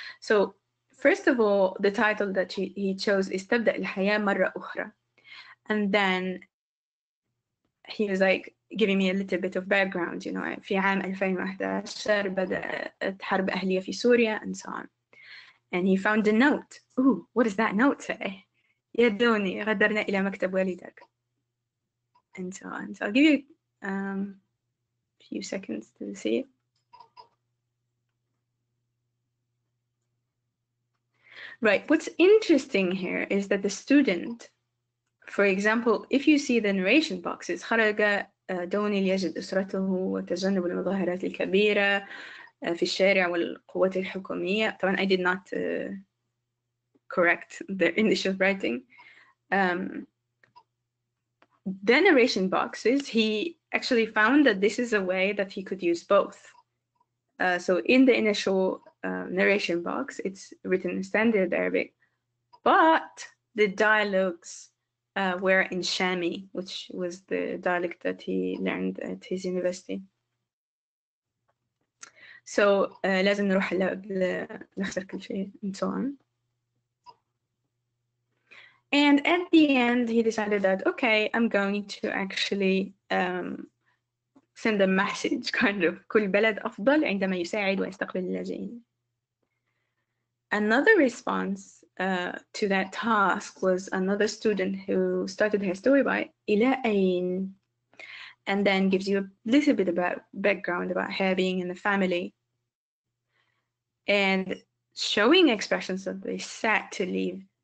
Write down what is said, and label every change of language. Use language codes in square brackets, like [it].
[en] So first of all, the title that he chose is Tabda al-Haya Marra Ukhra. And then he was like, giving me a little bit of background, you know, [ar] في عام 2011 بدأت حرب أهلية في سوريا [en] and so on. And he found a note. Ooh, what is that note say? [ar] يدوني غدرنا إلى مكتب والدك. [en] And so on. So I'll give you a few seconds to see. Right, what's interesting here is that the student, for example, if you see the narration boxes, [ar] خرج دوني ليجد أسرته وتجنب المظاهرات الكبيرة في الشارع والقوات الحكومية. [en] طبعا I did not correct the initial writing. The narration boxes, he actually found that this is a way that he could use both. So in the initial narration box, it's written in standard Arabic, but the dialogues were in Shami, which was the dialect that he learned at his university. [ar] So لازم نروح لنخسر كل شيء [en] and so on. And at the end, he decided that, okay, I'm going to actually send a message, kind of, [ar] كل بلد أفضل عندما يساعد ويستقبل اللاجئين. [en] Another response to that task was another student who started her story by [ar] إِلَى أَيْنِ [en] and then gives you a little bit about background about her being in the family and showing expressions that they sat to leave.